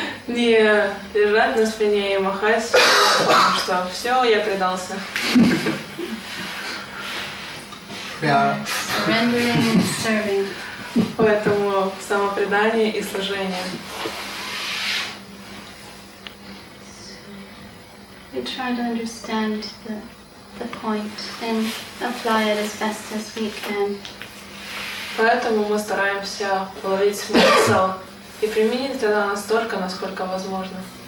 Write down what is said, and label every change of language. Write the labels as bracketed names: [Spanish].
[Russian] Не лежать на спине и махать, потому что все, я предался. [English] Surrendering and serving. [Russian] Поэтому самопредание и служение. [English] We try to understand the point and apply it as best as we can. [Russian] Поэтому мы стараемся уловить смысл и применить это настолько, насколько возможно.